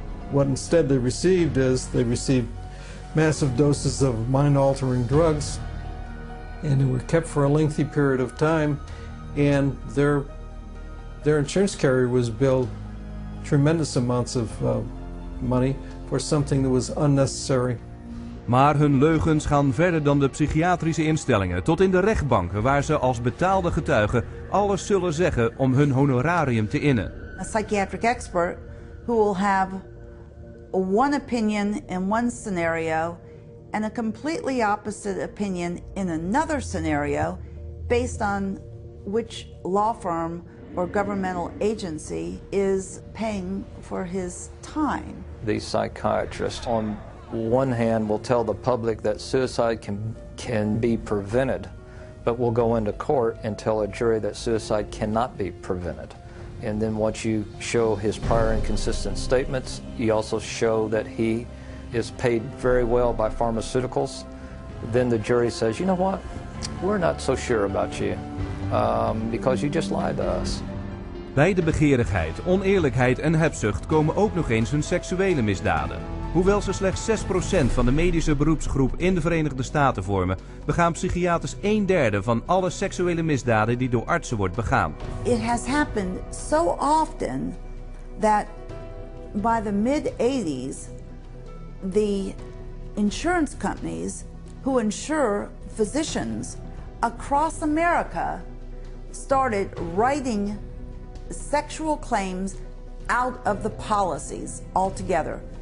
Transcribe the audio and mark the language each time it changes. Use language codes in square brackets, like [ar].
[en] What instead they received is, they received massive doses of mind-altering drugs, and they were kept for a lengthy period of time, and their insurance carrier was billed tremendous amounts of money for something that was unnecessary. [nl] Maar hun leugens gaan verder dan de psychiatrische instellingen, tot in de rechtbanken waar ze als betaalde getuigen alles zullen zeggen om hun honorarium te innen. [en] A psychiatric expert who will have one opinion in one scenario and a completely opposite opinion in another scenario based on which law firm or governmental agency is paying for his time. The psychiatrist on one hand will tell the public that suicide can be prevented, but will go into court and tell a jury that suicide cannot be prevented. And then once you show his prior inconsistent statements, you also show that he is paid very well by pharmaceuticals, then the jury says, you know what, we're not so sure about you, because you just lied to us. [nl] Bij de begeerigheid, oneerlijkheid en hebzucht komen ook nog eens hun seksuele misdaden. Hoewel ze slechts 6% van de medische beroepsgroep in de Verenigde Staten vormen, begaan psychiaters 1/3 van alle seksuele misdaden die door artsen wordt begaan. [en] It has happened so often that by the mid-80s, the insurance companies who insure physicians across America started writing sexual claims out of the policies altogether.